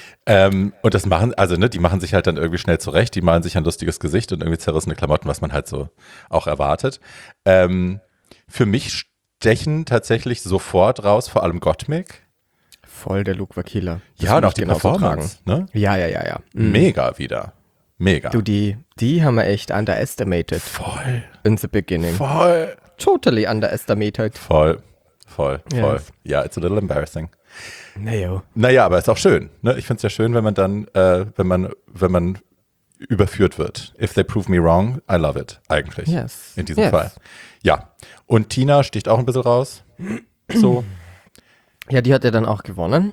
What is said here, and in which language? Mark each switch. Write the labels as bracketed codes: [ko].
[de] Und das machen, also ne, die machen sich halt dann irgendwie schnell zurecht, die malen sich ein lustiges Gesicht und irgendwie zerrissene Klamotten, was man halt so auch erwartet. Für mich stechen tatsächlich sofort raus, vor allem Gottmik. Voll der Look war Killer. Das ja, und auch die genau Performance. So ne? Ja. Mhm. Mega wieder. Mega. Du, die haben wir echt underestimated. Voll. [en] In the beginning. [de] Voll. [en] Totally underestimated. [de] Voll. Voll. [en] Ja, yes. Yeah, it's a little embarrassing. [de] Naja. Naja, aber ist auch schön. Ne? Ich finde es ja schön, wenn man dann, wenn man überführt wird. [en] If they prove me wrong, I love it, eigentlich. Yes. [de] In diesem Fall. Ja. Und Tina sticht auch ein bisschen raus. So. Ja, die hat ja dann auch gewonnen.